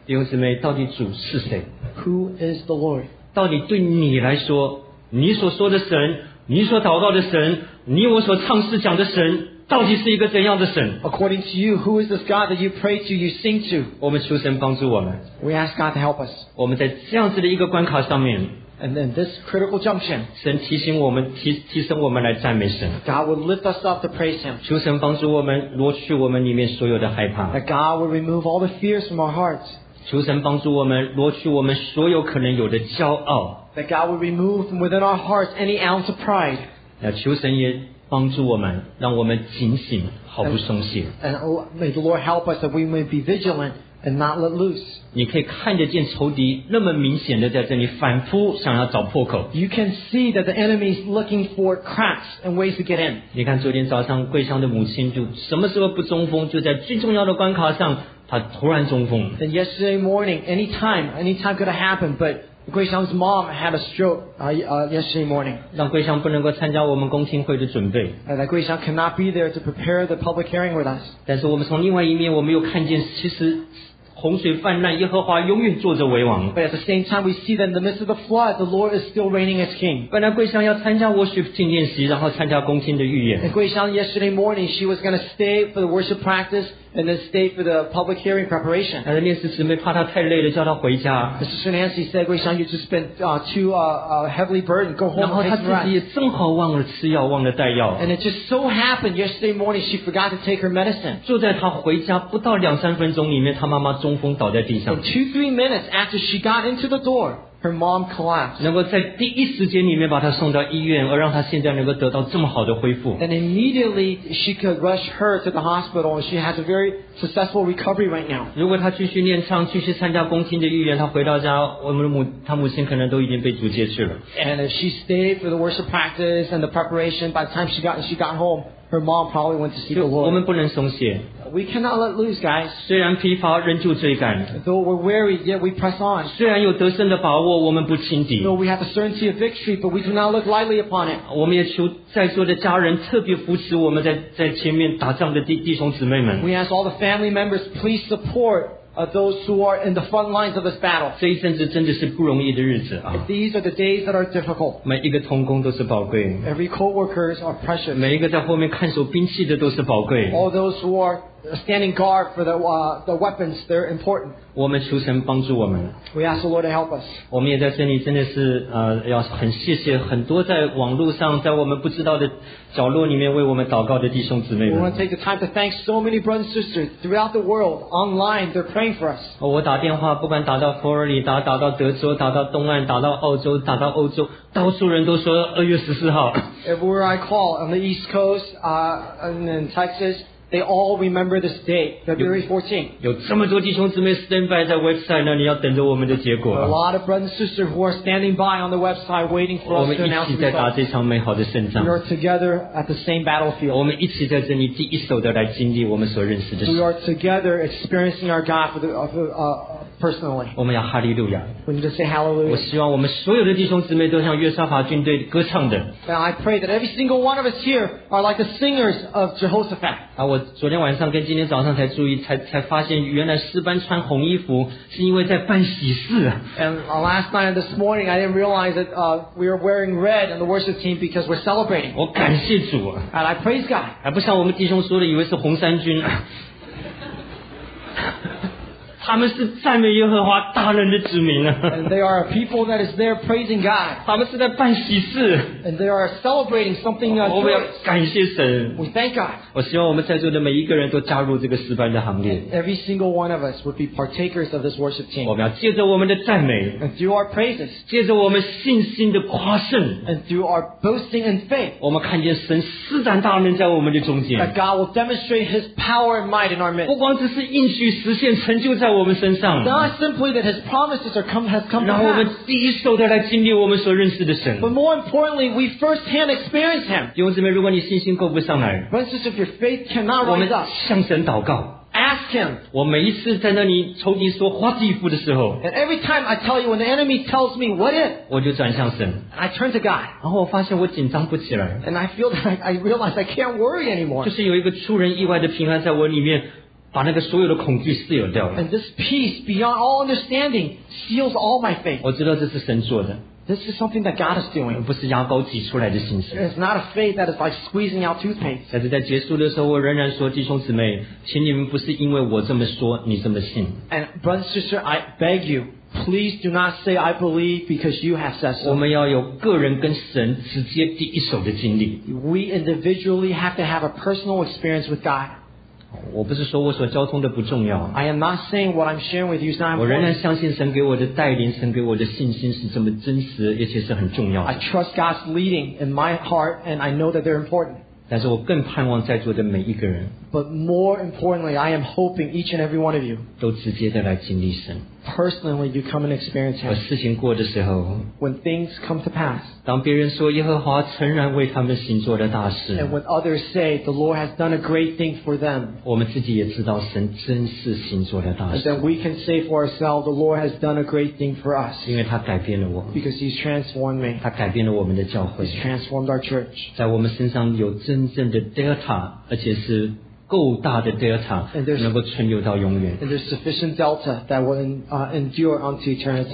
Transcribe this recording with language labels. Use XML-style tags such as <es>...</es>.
<zh>弟兄姊妹到底主是谁</zh> <en>Who is the Lord</en> <zh>到底对你来说你所说的神你所祷告的神你我所唱诗讲的神到底是一个怎样的神</zh> <en>According to you, who is this God that you pray to, you sing to?</en> <zh>我们求神帮助我们</zh> <en>We ask God to help us.</en> <zh>我们在这样子的一个关卡上面</zh> <en>And then this critical junction,</en> <zh>神提醒我们 提升我们来赞美神</zh> <en>God will lift us up to praise him.</en> <zh>求神帮助我们挪去我们里面所有的害怕</zh> <en>That God will remove all the fears from our hearts.</en> <zh>求神帮助我们挪去我们所有可能有的骄傲</zh> <en>That God will remove from within our hearts any ounce of pride.</en> <zh>那求神也帮助我们，让我们警醒，毫不松懈。</zh> <en>And may the Lord help us that we may be vigilant and not let loose.</en> <zh>你可以看得见仇敌那么明显的在这里反复想要找破口。</zh> <en>You can see that the enemy is looking for cracks and ways to get in.</en> <zh>你看昨天早上桂香的母亲就什么时候不中风，就在最重要的关卡上，她突然中风。</zh> <en>And yesterday morning, anytime could have happened, but. 桂香's mom had a stroke yesterday morning.</en> <zh>让桂香不能够参加我们公听会的准备。</zh> <en>And that 桂香 cannot be there to prepare the public hearing with us.</en> <zh>但是我们从另外一面，我们又看见，其实洪水泛滥，耶和华永远坐着为王。</zh> <en>But at the same time, we see that in the midst of the flood, the Lord is still reigning as King.</en> <zh>本来桂香要参加 worship 敬宴席，然后参加公听的预言。</zh> <en>And 桂香 yesterday morning, she was going to stay for the worship practice. And then stay for the public hearing preparation. Mrs. Nancy said, Gui Xiang, you just spent too heavily burdened. Go home and take rest.</en> <zh>正好忘了吃药，忘了带药。</zh> <en>And it just so happened yesterday morning she forgot to take her medicine.</en> <zh>就在她回家不到两三分钟里面，她妈妈中风倒在地上。</zh> <en>And 2-3 minutes after she got into the door. Her mom collapsed.</en> <zh>能够在第一时间里面把她送到医院，而让她现在能够得到这么好的恢复。</zh> <en>And immediately she could rush her to the hospital, and she has a very successful recovery right now.</en> <zh>如果她继续念唱，继续参加公听的预言，她回到家，她母亲可能都已经被主接去了。</zh> <en>And if she stayed for the worship practice and the preparation, by the time she got home. Her mom probably went to see the Lord.</en> <zh>我们不能松懈。</zh> <en>We cannot let loose, guys.</en> <zh>虽然疲乏，仍旧追赶。</zh> <en>Though we're weary, yet we press on.</en> <zh>虽然有得胜的把握，我们不轻敌。</zh> <en>Though we have the certainty of victory, but we do not look lightly upon it.</en> <zh>我们也求在座的家人特别扶持我们在前面打仗的弟兄姊妹们。</zh> <en>We ask all the family members, please support. Of those who are in the front lines of this battle.</en> <zh>这一阵子真的是不容易的日子啊。</zh> <en>These are the days that are difficult.</en> <zh>每一个同工都是宝贵。</zh> <en>Every co-workers are precious.</en> <zh>每一个在后面看守兵器的都是宝贵。</zh> <en>All those who are standing guard for the weapons, they're important.</en> <zh>我们求神帮助我们。</zh> <en>We ask the Lord to help us.</en> <zh>我们也在这里真的是要很谢谢很多在网络上在我们不知道的角落里面为我们祷告的弟兄姊妹们。</zh> <en>We want to take the time to thank so many brothers and sisters throughout the world online. They're praying for us.</en> <zh>我打电话不管打到佛罗里达打到德州打到东岸打到澳洲打到欧洲到处人都说2月14号。</zh> <en>Everywhere I call on the East Coast, and in Texas,They all remember this date, February 14th.</en> <zh>有这么多弟兄姊妹</zh> <en>stand by</en> <zh>在 website 那里要等着我们的结果。</zh> <en>A lot of brothers and sisters who are standing by on the website waiting for us to announce results.</en> <zh>我们一起在打这场美好的胜仗。</zh> <en>We are together at the same battlefield.</en> <zh>我们一起在这里第一手的来经历我们所认识的神。</zh> <en>We are together experiencing our God for the, personally.</en> <zh>我们要哈利路亚。</zh> <en>We need to say hallelujah.</en> <zh>我希望我们所有的弟兄姊妹都像约沙法军队歌唱的。</zh> <en>Now I pray that every single one of us here are like the singers of Jehoshaphat.</en> <zh>啊，我昨天晚上跟今天早上才注意，才发现原来诗班穿红衣服是因为在办喜事。</zh> <en>And last night and this morning, I didn't realize that we were wearing red on the worship team because we're celebrating.</en> <zh>我感谢主啊。</zh> <en>And I praise God.</en> <zh>还不像我们弟兄说的，以为是红三军。他们是赞美耶和华大能的子民啊。</zh> <en>And they are a people that is there praising God.</en> <zh>他们是在办喜事。</zh> <en>And they are celebrating something great.</en> <zh>我们要感谢神。</zh> <en>We thank God.</en> <zh>我希望我们在座的每一个人都加入这个诗班的行列。</zh> <en>And every single one of us would be partakers of this worship team.</en> <zh>我们要借着我们的赞美。</zh> <en>And through our praises.</en> <zh>借着我们信心的夸胜。</zh> <en>And through our boasting and faith.</en> <zh>我们看见神施展大能在我们的中间。</zh> <en>That God will demonstrate His power and might in our midst.</en> <zh>不光只是应许实现成就在我们身上。</zh> <en>Not simply that His promises are come to pass.</en> <zh>让我们第一手的来经历我们所认识的神。</zh> <en>But more importantly, we firsthand experience Him.</en> <zh>弟兄姊妹，如果你信心够不上来，</zh> <en>if your faith cannot rise up,</en> <zh>我们向神祷告。</zh> <en>Ask Him.</en> <zh>我每一次在那里仇敌说</zh> <en>"What if"</en> <zh>的时候</zh> <en>，And every time I tell you when the enemy tells me "What if"，</en> <zh>我就转向神</zh> <en>，And I turn to God.</en> <zh>然后我发现我紧张不起来</zh> <en>，And I feel that I realize I can't worry anymore.</en> <zh>就是有一个出人意外的平安在我里面。把那个所有的恐惧撕掉了。</zh> <en>And this peace beyond all understanding seals all my faith.</en> <zh>我知道这是神做的。</zh> <en>This is something that God is doing.</en> <zh>不是牙膏挤出来的信心。</zh> <en>It's not a faith that is like squeezing out toothpaste.</en> <zh>但是在结束的时候，我仍然说，弟兄姊妹，请你们不是因为我这么说，你这么信。</zh> <en>And brother, sister, I beg you, please do not say I believe because you have said so.</en> <zh>我们要有个人跟神直接第一手的经历。</zh> <en>We individually have to have a personal experience with God.</en> <zh>我不是说我所交通的不重要。</zh> <en>I am not saying what I'm sharing with you is not important.</en> <zh>我仍然相信神给我的带领，神给我的信心是这么真实，而且是很重要的。</zh> <en>I trust God's leading in my heart, and I know that they're important.</en> <zh>但是我更盼望在座的每一个人。</zh> <en>But more importantly, I am hoping each and every one of you</en> <zh>都直接的来经历神。</zh> <en>Personally, you come and experience Him.</en> <zh>而事情过的时候</zh> <en>，When things come to pass,</en> <zh>当别人说耶和华诚然为他们行做的大事</zh> <en>，And when others say the Lord has done a great thing for them,</en> <zh>我们自己也知道神真是行做的大事。</zh> <en>And then we can say for ourselves, the Lord has done a great thing for us.</en> <zh>因为他改变了我</zh> <en>，Because He's transformed me.</en> <zh>他改变了我们的教会</zh> <en>，He's transformed our church.</en> <zh>在我们身上有真正的 Delta， 而且是。够大的 delta 能够存留到永远。</zh> <en>And there's sufficient delta that will endure unto eternity.</en>